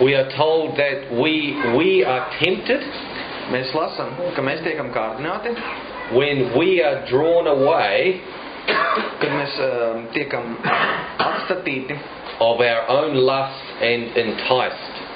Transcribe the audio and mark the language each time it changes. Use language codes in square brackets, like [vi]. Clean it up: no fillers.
[en] We are told that we are tempted. [lv] Mēs lasam, ka mēs tiekam kārdināti. [en] When we are drawn away, [lv] kad mēs tiekam atstatīti, [en] of our own lust and enticed.